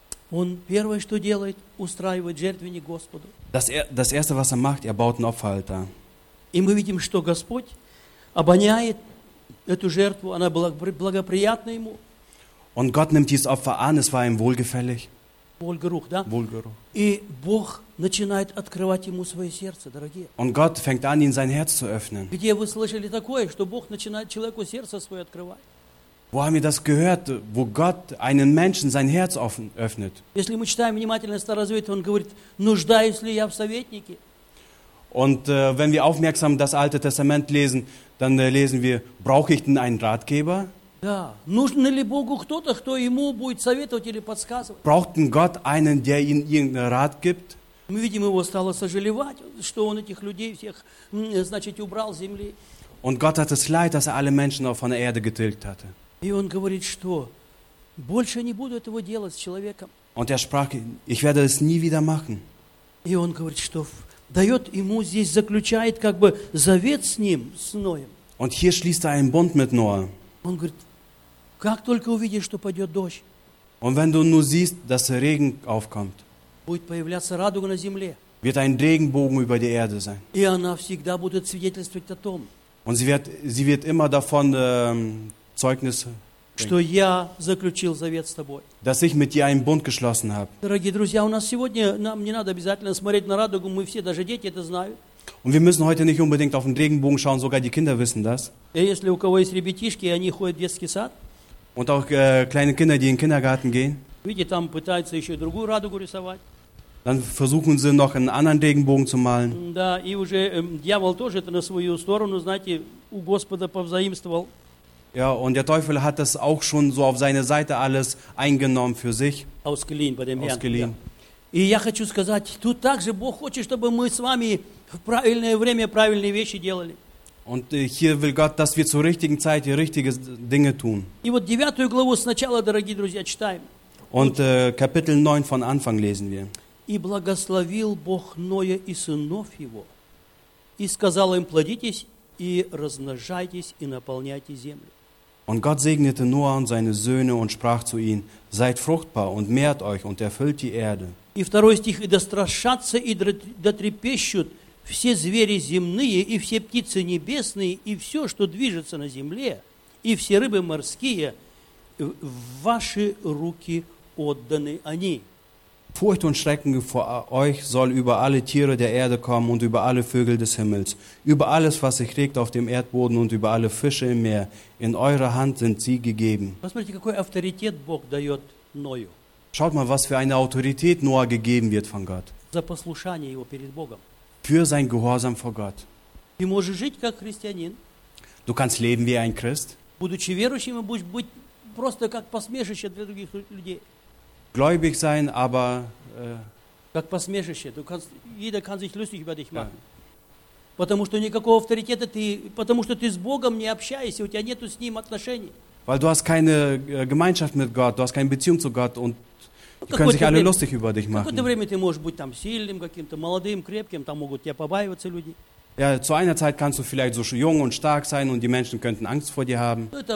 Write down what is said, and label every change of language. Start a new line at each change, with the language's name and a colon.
Russian: Он первое, что делает, устраивает жертвенник Господу.
German: Das Erste, was er macht, er baut einen Opferaltar.
Russian: И мы видим, что Господь обоняет эту жертву, она благоприятна ему.
German: Und Gott nimmt dieses Opfer an, es war ihm wohlgefällig. Wohlgeruch, да? Wohlgeruch.
Russian: И Бог начинает открывать ему свое сердце, дорогие.
German: Und Gott fängt an, ihn sein Herz zu öffnen.
Russian: Где вы слышали такое, что Бог начинает человеку сердце свое открывать?
German: Wo haben wir das gehört, wo Gott einen Menschen sein Herz öffnet?
Russian: Если мы читаем внимательно Старозавет, он говорит: нуждаюсь ли я в советнике?
German: Und wenn wir aufmerksam das Alte Testament lesen, dann lesen wir: Brauche ich denn einen Ratgeber?
Russian: Да. Нужен ли Богу кто-то, кто ему будет советовать или подсказывать?
German: Braucht denn Gott einen, der ihm irgendeinen Rat gibt?
Russian: Мы видим, его стало сожалевать, что он этих людей всех, значит, убрал с земли.
German: Und Gott hat es leid, dass er alle Menschen von der Erde getilgt hatte.
Russian: И он говорит, что больше не буду этого делать с человеком.
German: Und er sprach, ich werde es nie wieder machen.
Russian: И он говорит, что дает ему здесь, заключает как бы завет с ним, с Ноем.
German: Und hier schließt er einen Bund mit Noah.
Russian: Он говорит, как только увидишь, что пойдет дождь.
German: Und wenn du nur siehst, dass Regen aufkommt,
Russian: будет появляться радуга на земле.
German: Wird ein Regenbogen über die Erde sein.
Russian: И она всегда будет свидетельствовать о том.
German: Und sie wird immer davon Zeugnis bringen.
Russian: Что я заключил завет с тобой.
German: Dass ich mit dir einen Bund geschlossen habe.
Russian: Дорогие друзья, у нас сегодня, нам не надо обязательно смотреть на радугу, мы все, даже дети это знают.
German: Und wir müssen heute nicht unbedingt auf den Regenbogen schauen, sogar die Kinder wissen das.
Russian: Если у кого есть ребятишки, они ходят в детский сад.
German: Und auch kleine Kinder, die in den Kindergarten gehen.
Russian: Видите, там пытаются еще другую радугу рисовать.
German: Dann versuchen sie noch einen anderen Regenbogen zu malen.
Russian: Да, и уже дьявол тоже это на свою сторону, знаете, у Господа повзаимствовал.
German: Ja, und der Teufel hat das auch schon so auf seine Seite alles eingenommen für sich. Ausgeliehen bei dem Herrn. Ausgeliehen.
Russian: И я хочу сказать, тут также Бог хочет, чтобы мы с вами в правильное время правильные вещи делали.
German: Und hier will Gott, dass wir zur richtigen Zeit die richtigen Dinge tun.
Russian: И вот девятую главу сначала, дорогие друзья, читаем.
German: Und Kapitel 9 von Anfang lesen wir.
Russian: И благословил Бог Ноя и сынов его, и сказал им: плодитесь и размножайтесь и наполняйте землю.
German: Und Gott segnete Noah und seine Söhne und sprach zu ihnen: Seid fruchtbar und mehrt euch und erfüllt die Erde.
Russian: И второй стих: и дострашатся и дотрепещут все звери земные и все птицы небесные и все, что движется на земле, и все рыбы морские в ваши руки отданы они.
German: Furcht und Schrecken vor euch soll über alle Tiere der Erde kommen und über alle Vögel des Himmels, über alles, was sich regt auf dem Erdboden und über alle Fische im Meer. In eure Hand sind sie gegeben.
Russian: Посмотрите, какой авторитет Бог дает Ною.
German: Schaut mal, was für eine Autorität Noah gegeben wird von Gott.
Russian: За послушание его перед Богом.
German: Für sein Gehorsam vor Gott.
Russian: Ты можешь жить как христианин.
German: Du kannst leben wie ein Christ.
Russian: Будучи верующим, будешь быть просто как посмешище для других людей.
German: Gläubig sein, aber
Russian: как посмешище.
German: Du kannst, jeder kann sich lustig über dich machen. Ja.
Russian: Потому что никакого авторитета ты, потому что ты с Богом не общаешься, у тебя нету с ним отношений.
German: Weil du hast keine Gemeinschaft mit Gott, du hast keine Beziehung zu Gott und die können sich alle lustig über dich machen.
Russian: Какое-то время ты можешь быть там сильным, каким-то молодым, крепким, там могут тебя побаиваться люди.
German: Ja, zu einer Zeit kannst du vielleicht so jung und stark sein und die Menschen könnten Angst vor dir haben.